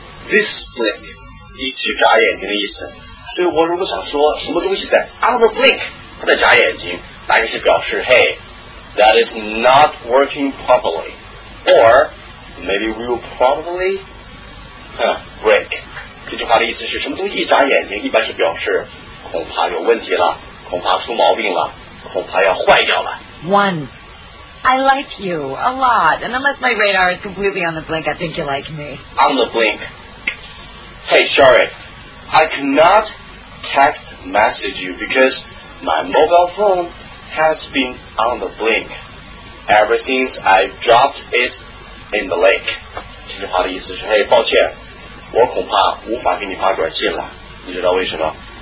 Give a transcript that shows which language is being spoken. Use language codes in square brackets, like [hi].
[zh] This blink， 一直眨眼睛的意思。所以我如果想说什么东西在 on the blink， 它在眨眼睛，那就是表示 [en] Hey, that is not working properly， or maybe we'll probably break。 [zh] 这句话的意思是什么东西一眨眼睛，一般是表示恐怕有问题了，恐怕出毛病了，恐怕要坏掉了。 [en] One, I like you a lot. And unless my radar is completely on the blink, I think you like me. On the blink. Hey, sorry, I cannot text message you because my mobile phone has been on the blink ever since I dropped it in the lake. [zh] 这句话的意思是 Hey, 抱歉，我恐怕无法给你发短信了，你知道为什么？